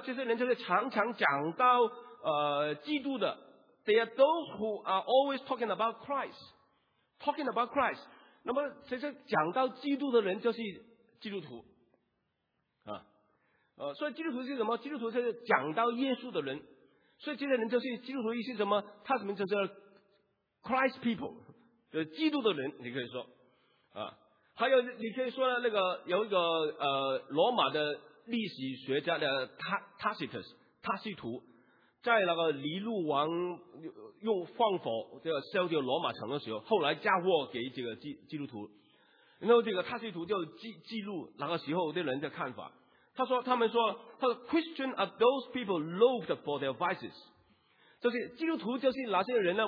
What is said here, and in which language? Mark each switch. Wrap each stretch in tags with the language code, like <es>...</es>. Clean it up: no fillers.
<zh>这些人就是常常讲到基督的。</zh> <en>They are those who are always talking about Christ， talking about Christ。</en> <zh>那么这些讲到基督的人就是基督徒。所以基督徒是什么？基督徒就是讲到耶稣的人。所以这些人就是基督徒，意思是什么？他什么就是</zh> <en>Christ people，</en> <zh>就是基督的人，你可以说。还有你可以说那个有一个罗马的历史学家的 Tacitus， 塔西图，在那个尼禄王用放火这个烧掉罗马城的时候，后来嫁祸给这个基督徒，然后这个塔西图就记录那个时候的人的看法。他说</zh> <en>Christian are those people loathed for their vices，</en> <zh>就是基督徒就是哪些人呢？</zh>